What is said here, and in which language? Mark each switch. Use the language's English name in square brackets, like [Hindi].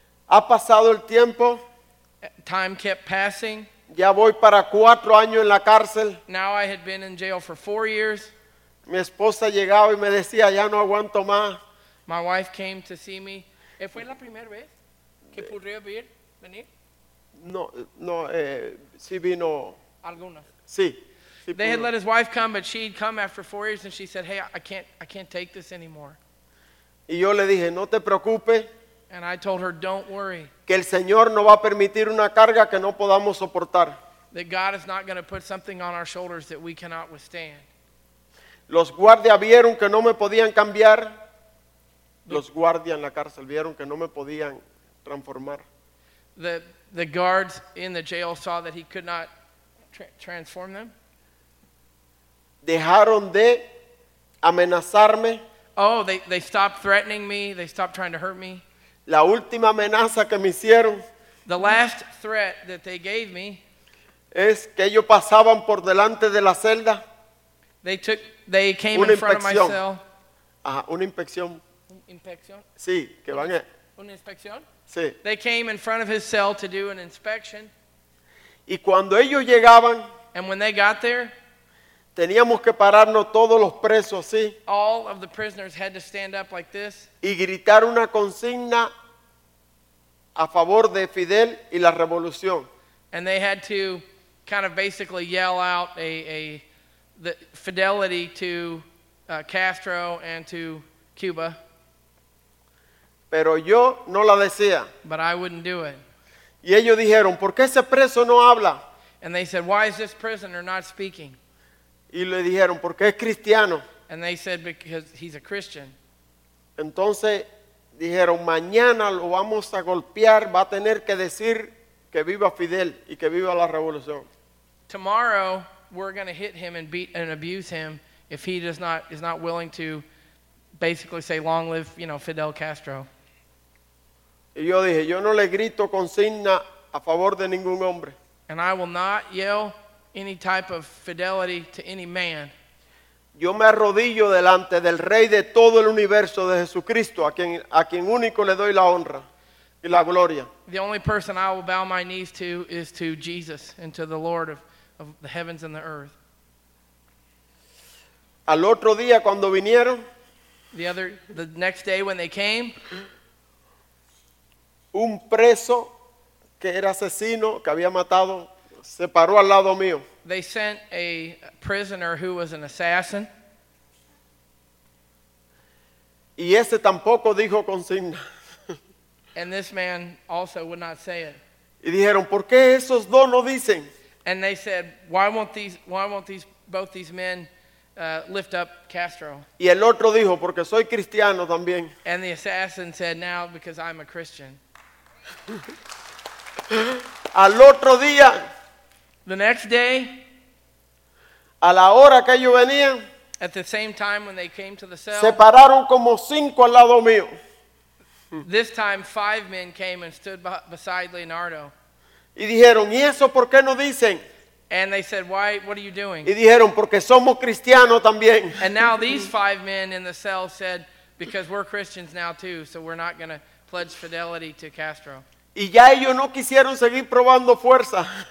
[Spanish] Ha pasado el tiempo. [English] Time kept passing. [Spanish] Ya voy para 4 años en la cárcel. [English] Now I had been in jail for 4 years. [Spanish] Mi esposa llegaba y me decía, ya no aguanto más. [English] My wife came to see me. [Spanish] ¿Fue la primera vez? ¿Que podría venir? No, sí vino. ¿Algunas? Sí. [English] They had let his wife come, but she'd come after 4 years, and she said, hey, I can't take this anymore. [Spanish] Y yo le dije, no te preocupes. [English] And I told her, don't worry. [Spanish] Que el Señor no va a permitir una carga que no podamos soportar. [English] That God is not going to put something on our shoulders that we cannot withstand. [Spanish] Los guardias vieron que no me podían cambiar. Los guardias en la cárcel vieron que no me podían transformar. [English] The guards in the jail saw that he could not transform them. [Spanish] Dejaron de amenazarme. [English] Oh, they stopped threatening me. They stopped trying to hurt me. [Spanish] La última amenaza que me hicieron. [English] The last threat that they gave me. [Spanish] Es que ellos pasaban por delante de la celda. [English] They came in front of my cell. [Spanish] Ajá, una inspección. ¿Inspección? Sí, que van a. ¿Una inspección? Sí. [English] They came in front of his cell to do an inspection. [Spanish] Y cuando ellos llegaban, [English] and when they got there, [Spanish] teníamos que pararnos todos los presos así. [English] All of the prisoners had to stand up like this. [Spanish] Y gritar una consigna a favor de Fidel y la revolución. [English] And they had to kind of basically yell out the fidelity to Castro and to Cuba. [Spanish] Pero yo no la decía. [English] But I wouldn't do it. [Spanish] Y ellos dijeron, ¿por qué ese preso no habla? [English] And they said, why is this prisoner not speaking? [Spanish] Y le dijeron, ¿por qué es cristiano? [English] And they said, because he's a Christian. [Spanish] Entonces dijeron, mañana lo vamos a golpear, va a tener que decir que viva Fidel y que viva la revolución. [English] Tomorrow, we're going to hit him and beat and abuse him if he is not willing to basically say long live, you know, Fidel Castro. [Spanish] Y yo dije, yo no le grito consigna a favor de ningún hombre. [English] And I will not yell any type of fidelity to any man. [Spanish] Yo me arrodillo delante del rey de todo el universo, de Jesucristo, a quien único le doy la honra y la gloria. [English] The only person I will bow my knees to is to Jesus and to the Lord of the heavens and the earth. [Spanish] Al otro día cuando vinieron, [English] the next day when they came, [Spanish] un preso que era asesino, que había matado, se paró al lado mío. [English] They sent a prisoner who was an assassin. [Spanish] Y ese tampoco dijo consigna. [English] And this man also would not say it. [Spanish] Y dijeron, ¿por qué esos dos no dicen? [English] And they said, why won't both these men lift up Castro? [Spanish] Y el otro dijo, porque soy cristiano también. [English] And the assassin said, now because I'm a Christian. [Spanish] Al otro día, [English] the next day, [Spanish] a la hora que ellos venían, [English] at the same time when they came to the cell, [Spanish] se pararon como cinco al lado mío. [English] This time, five men came and stood beside Leonardo. [Spanish] Y dijeron, ¿y eso por qué no dicen? [English] And they said, why, what are you doing? [Spanish] Y dijeron, porque somos cristianos también. [English] And now these five men in the cell said, because we're Christians now too, so we're not going to pledge fidelity to Castro. [Spanish] Y ya ellos no quisieron seguir probando fuerza.